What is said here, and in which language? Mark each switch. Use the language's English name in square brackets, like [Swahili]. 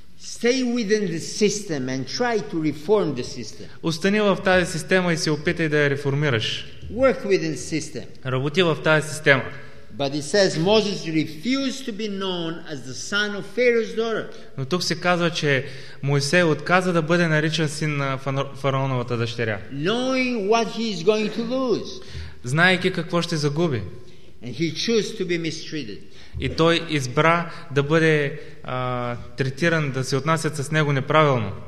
[English] Stay within the system and try to reform the system. [Bulgarian] Остани в тази система и се опитай да я реформираш. [English] Work within the system. [Bulgarian] Работи в тази система. [English] But it says Moses refused to be known as the son of Pharaoh's daughter. [Bulgarian] Но тук се казва, че Мойсей отказа да бъде наричан син на фараоновата дъщеря. [English] Knowing what he is going to lose. [Bulgarian] Знаейки какво ще загуби. [English] And he chose to be mistreated. [Bulgarian] И той избра да бъде третиран, да се отнасят с него неправилно.